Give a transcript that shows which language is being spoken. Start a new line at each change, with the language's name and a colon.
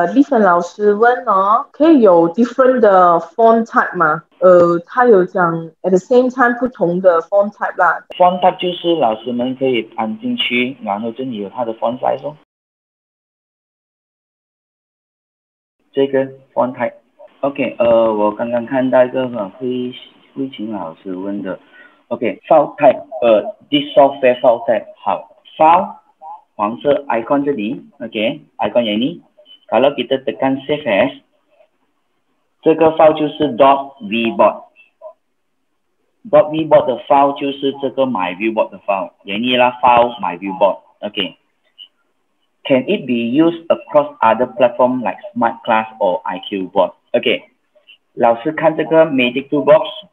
Chinese: 有一个丽芬老师问哦，可以有
English: different
Chinese: 的 form type 吗？他有讲
English: at the same time
Chinese: 不同的 form type 啦。form type 就是老师们可以按进去，然后这里有它的 font size 哦。这个 font type。 OK， 我刚刚看到一个慧琴老师问的 ，OK， file type，
English: this software file type，
Chinese: 好 ，file， 黄色 icon 这里 ，OK， icon 这里 ，
Malay: kalau kita tekan
Chinese: save as， 这个 file 就是 .vbot， .vbot 的 file 就是这个 MyViewBot 的 file， 这里啦 ，file MyViewBot， OK。
English: Can it be used across other platforms like Smart Class or IQ Board?
Chinese: Okay, 老师看这个 Magic Toolbox.